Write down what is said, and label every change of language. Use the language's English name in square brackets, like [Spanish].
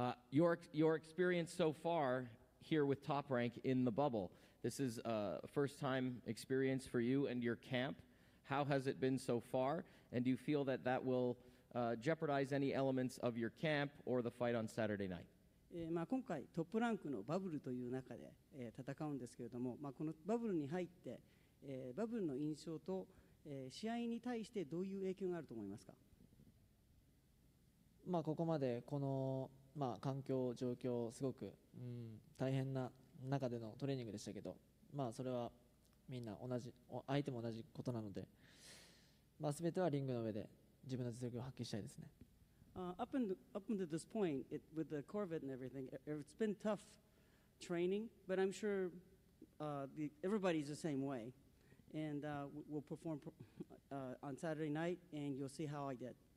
[English] Your experience so far here with Top Rank in the bubble, this is a first-time experience for you and your camp. How has it been so far, and do you feel that that will jeopardize any elements of your camp or the fight on Saturday night? [Japanese] 今回トップランクのバブルという中で、戦うんですけれども、このバブルに入って、バブルの印象と、試合に対してどういう影響があると思いますか？ここまでこの、環境状況すごく、大変な中でのトレーニングでしたけど、それはみんな同じ相手も同じことなので、全てはリングの上で自分の実力を発揮したいですね。 [English] Up until this point, with the COVID and everything, it's been tough training, but I'm sure everybody's the same way. And we'll perform on Saturday night, and you'll see how I did.